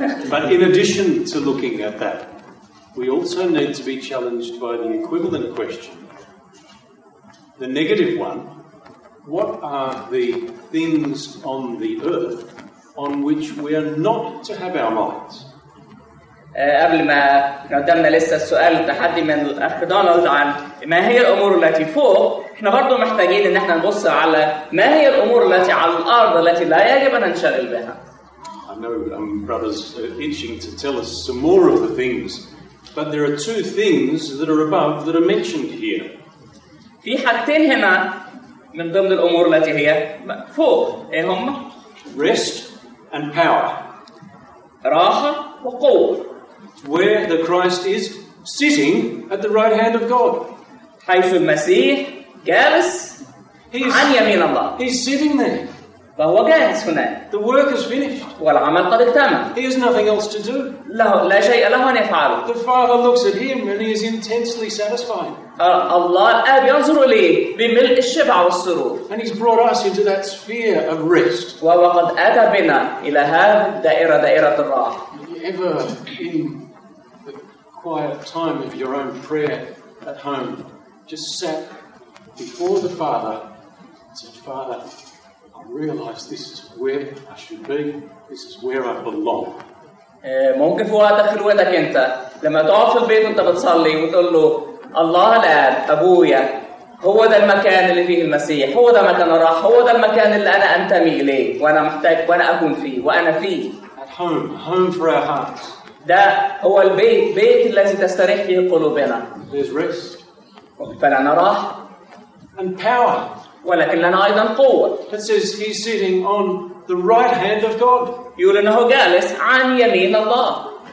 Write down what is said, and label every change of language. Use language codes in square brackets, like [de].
[en] But in addition to looking at that, we also need to be challenged by the equivalent question. The negative one, what are the things on the earth on which we are not to have our minds? [ar] قبل ما قدمنا لسه السؤال التحدي من الأخ دونالد عن ما هي الأمور التي فوق, احنا برضو محتاجين ان احنا نبص على ما هي الأمور التي على الأرض التي لا يجب ان ننشغل بها. [en] I know brothers are itching to tell us some more of the things, but there are two things that are above that are mentioned here. [ar] في حاجتين هنا من ضمن الأمور التي هي فوق, إيه هم؟ [en] Rest and power. [ar] راحة وقوة. [en] Where the Christ is sitting at the right hand of God. [ar] حيث المسيح جالس عن يمين الله. [en] He's sitting there. [ar] فهو جالس هناك. [en] The work is finished. [ar] والعمل قد اكتمل. [en] He has nothing else to do. [ar] له لا شيء له أن يفعله. [en] The Father looks at him and he is intensely satisfied. [ar] الله الآب ينظر لي بملء الشبع والسرور. [en] And he's brought us into that sphere of rest. [ar] وقد أتى بنا إلى هذه الدائرة, دائرة الراحة. [en] Ever in the quiet time of your own prayer at home, just sat before the Father and said, Father, I realize this is where I should be. This is where I belong. [ar] ممكن في وقتك لوحدك أنت لما تقف في البيت وأنت بتصلي وتقول له الله الآب أبويا هو ده المكان اللي فيه المسيح, هو ده مكان الراحة, هو ده المكان اللي أنا أنتمي إليه وأنا محتاج وأنا أكون فيه وأنا فيه. [en] At home for our hearts. [ar] ده هو البيت, بيت الذي تستريح فيه قلوبنا. [en] There's rest. [ar] فلنا راحة. [en] And power. [ar] ولكن لنا أيضا قوة. [en] It says he's sitting on the right hand of God. [ar] يقول إنه جالس عن يمين الله.